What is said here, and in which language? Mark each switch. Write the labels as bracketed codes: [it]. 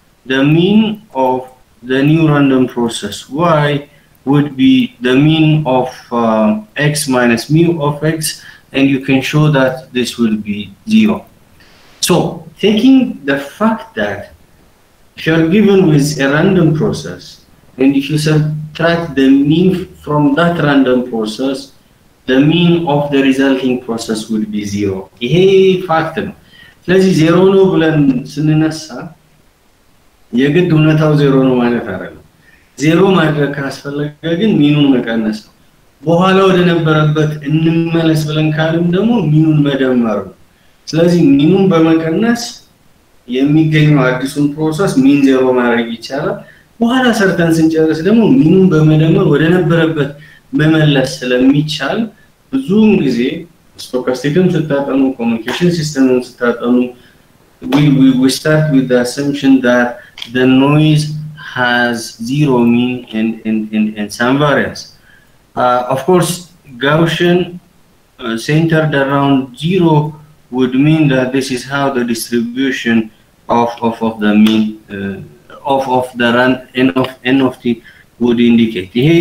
[en] The mean of the new random process y would be the mean of x minus mu of x and you can show that this would be zero. So taking the fact that if you are given with a random process and if you subtract the mean from that random process, the mean of the resulting process would be zero. [am] ይሄ ፋክት ነው። ስለዚህ ዜሮ ነው ብለን ስንነሳ የግድ ሁኔታው ዜሮ ነው ማለት አይደለም። ዜሮ ማድረግ ካስፈለገ ግን ሚኑን መቀነስ ነው። በኋላ ወደ ነበረበት እንመለስ ብለን ካልም ደግሞ ሚኑን መደመር ነው። ስለዚህ ሚኑን በመቀነስ የሚገኘው አዲሱን ፕሮሰስ ሚን ዜሮ ማድረግ ይቻላል። በኋላ ሰርተን ስንጨርስ ደግሞ ሚኑን በመደመር ወደ ነበረበት መመለስ ስለሚቻል ብዙውን ጊዜ ስቶካስቲክም ስታጠኑ ኮሙኒኬሽን ሲስተምም ስታጠኑ [en] we start with the assumption that the noise has zero mean and some variance. Of course, Gaussian centered around zero would mean that this is how the distribution of the mean of the run n of t would indicate.